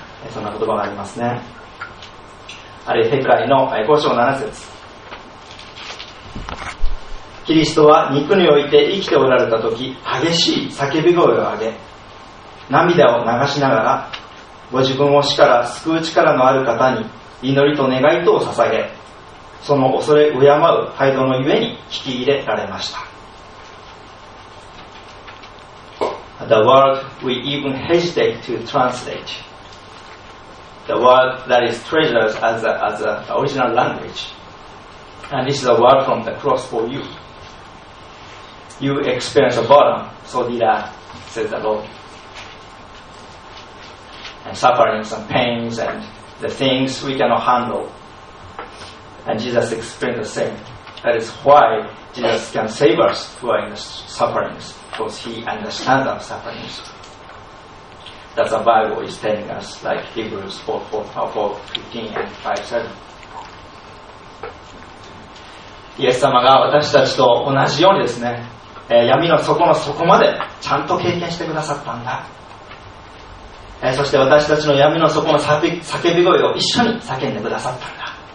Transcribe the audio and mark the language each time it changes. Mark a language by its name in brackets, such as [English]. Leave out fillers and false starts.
[Japanese] そんな言葉がありますね。あるいはヘブライの5章7節、キリストは肉において生きておられた時、激しい叫び声を上げ、涙を流しながら、ご自分を死から救う力のある方に祈りと願いとを捧げ、その恐れ敬う態度のゆえに聞き入れられました。 [English] The word we even hesitate to translate, the word that is treasured as a original language, and this is a word from the cross for you. You experience a burden, so did I, says the Lord. And sufferings and pains and the things we cannot handle. And Jesus explained the same. That is why Jesus can save us who are in the sufferings, because he understands our sufferings. That's what the Bible is telling us, like Hebrews 4:15 and 5:7. [Japanese] イエス様が私たちと同じようにですね、闇の底の底までちゃんと経験してくださったんだ。そして私たちの闇の底の叫び声を一緒に叫んでくださったんだ。